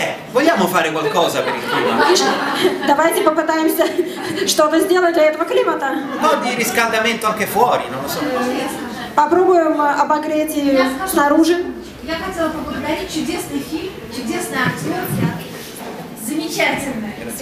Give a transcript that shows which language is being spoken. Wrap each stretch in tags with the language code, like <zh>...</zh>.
<it>Vogliamo fare qualcosa per il clima?</it> <ru>Давайте попытаемся что-то сделать для этого климата.</ru> <it>Ну, di riscaldamento anche fuori, non lo so.</it> <ru>Попробуем обогреть снаружи. Я хотела поблагодарить чудесный фильм, чудесный актер, замечательный.</ru>